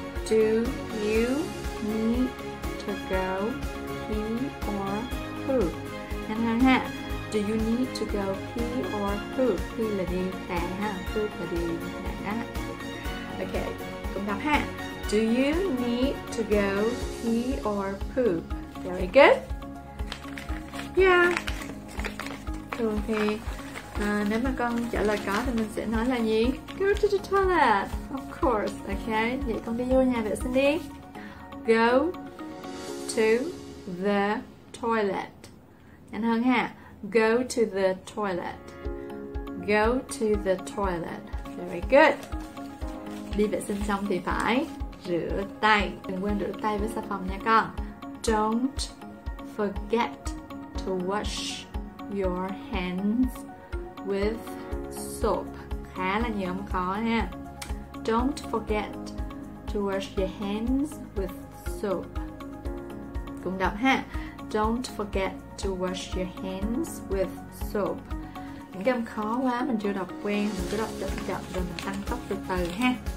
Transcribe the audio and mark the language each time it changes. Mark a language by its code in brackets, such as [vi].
[en] Do you need to go pee or poop? [vi] Nhanh hơn ha. [en] Do you need to go pee or poop? [vi] Pee là đi tè ha. Poop là đi tè á. Ok, cùng đọc ha. [en] Do you need to go pee or poop? Very good. Yeah. [vi] Thường thì nếu mà con trả lời có thì mình sẽ nói là gì? [en] Go to the toilet. Of course. Okay. [vi] Vậy con đi vô nhà vệ sinh đi. [en] Go to the toilet. [vi] Nhanh hơn ha. [en] Go to the toilet. Go to the toilet. Very good. [vi] Đi vệ sinh xong thì phải rửa tay. Đừng quên rửa tay với xà phòng nha con. [en] Don't forget to wash your hands with soap. [vi] Khá là nhiều ông khó nha. [en] Don't forget to wash your hands with soap. [vi] Cũng đọc ha. [en] Don't forget to wash your hands with soap. [vi] Những cái âm khó quá mình chưa đọc quen, mình cứ đọc chậm chậm rồi mình tăng tốc từ từ ha.